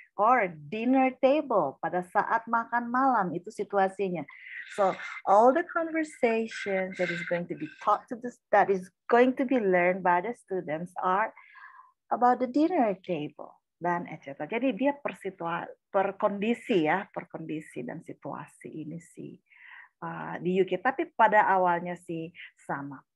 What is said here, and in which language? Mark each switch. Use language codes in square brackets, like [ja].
[en] Or dinner table, [id] pada saat makan malam, itu situasinya. [en] So all the conversations that is going to be taught to the, that is going to be learned by the students are about the dinner table dan etc. [id] Jadi dia per situasi, per kondisi ya, per kondisi dan situasi ini sih di UK. Tapi pada awalnya sih sama.